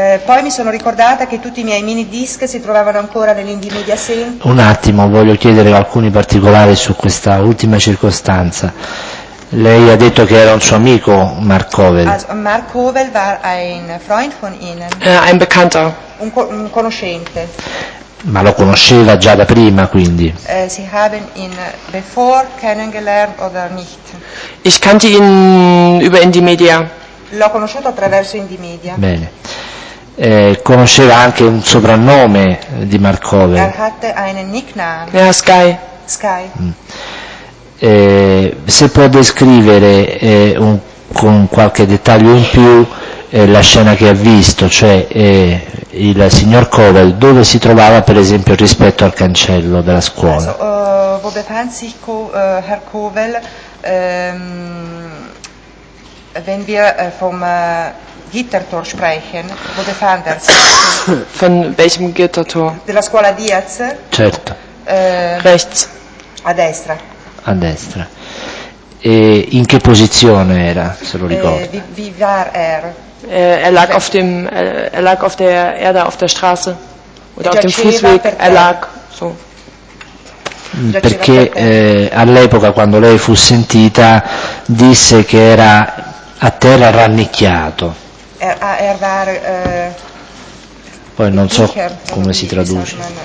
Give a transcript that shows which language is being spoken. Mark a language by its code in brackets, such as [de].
[it] Poi mi sono ricordata che tutti i miei mini disc si trovavano ancora nell'Indymedia Center. Un attimo, voglio chiedere alcuni particolari su questa ultima circostanza. Lei ha detto che era un suo amico, Mark Howell. [de] Also, Mark Howell war ein Freund von Ihnen. Ein Bekannter. [it] Un conoscente. Ma lo conosceva già da prima, quindi. [de] Sie haben ihn [en] before [de] kennengelernt oder nicht? Ich kannte ihn über Indymedia. [it] L'ho conosciuto attraverso Indymedia. Bene. Conosceva anche un soprannome di Mark Howell. [de] Er hatte einen Nickname. Ja, Sky. Sky. [it] Se può descrivere con qualche dettaglio in più la scena che ha visto, cioè il signor Cowell dove si trovava per esempio rispetto al cancello della scuola. [de] Wo befand sich Herr Cowell wenn wir vom Gittertor sprechen, wo befand er sich? Von welchem Gittertor? [it] Della scuola Diaz? Certo. [de] Rechts. [it] A destra. A destra. E in che posizione era, se lo ricordo? [de] Wie war er? Er lag auf der Erde, auf der Straße. Oder auf dem Fußweg. Er lag so. [it] Perché all'epoca, quando lei fu sentita, disse che era a terra rannicchiato. [de] Er war, [it] poi non so come si traduce.